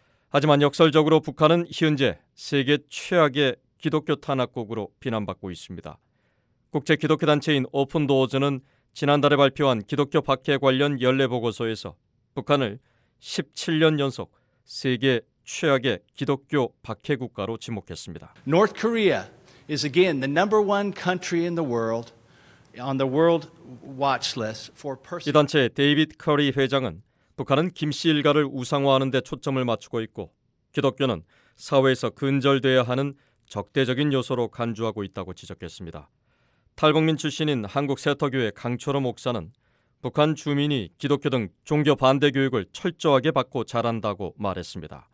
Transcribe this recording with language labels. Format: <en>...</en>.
<ko>하지만 역설적으로 북한은 현재 세계 최악의 기독교 탄압국으로 비난받고 있습니다. 국제 기독교 단체인 오픈 도어즈는 지난달에 발표한 기독교 박해 관련 연례 보고서에서 북한을 17년 연속 세계 최악의 기독교 박해 국가로 지목했습니다.</ko> <en>North Korea is again the number one country in the world on the world watch list for</en> <ko>person. 이 단체 데이빗 커리 회장은 북한은 김 씨 일가를 우상화하는 데 초점을 맞추고 있고 기독교는 사회에서 근절돼야 하는 적대적인 요소로 간주하고 있다고 지적했습니다. 탈북민 출신인 한국 세터교회 강철호 목사는 북한 주민이 기독교 등 종교 반대 교육을 철저하게 받고 자란다고 말했습니다.</ko>